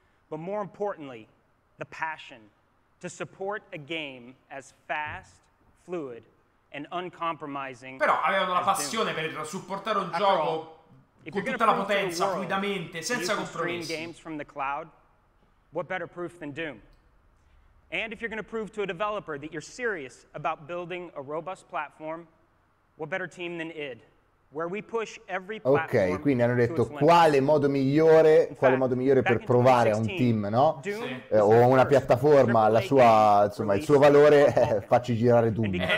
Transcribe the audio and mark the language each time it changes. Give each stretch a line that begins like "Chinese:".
English: But more importantly, the passion to support a game as fast, fluid, and uncompromising.
Italian: Però avevano la passione per supportare un gioco con tutta la potenza, fluidamente, senza compromessi.
English: Games from the cloud, what better proof than Doom? And if you're going to prove to a developer that you're serious about building a robust platform, what better team than id, where we push every platform.
Italian: Ok, quindi hanno detto quale modo migliore per provare a un team, no? O una piattaforma, la sua, insomma, il suo valore è facci girare Doom.